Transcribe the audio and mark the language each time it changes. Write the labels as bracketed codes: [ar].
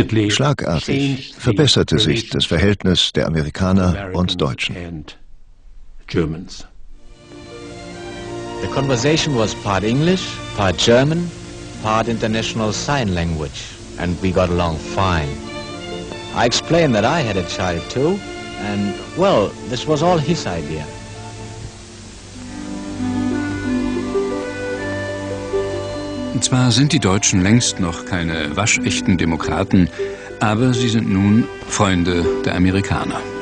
[de] Schlagartig verbesserte sich das Verhältnis der Amerikaner und Deutschen. [en] The conversation was part English, part German, part international sign language, and we got along fine. I explained that I had a child too, and well, this was all his idea. [de] Zwar sind die Deutschen längst noch keine waschechten Demokraten, aber sie sind nun Freunde der Amerikaner.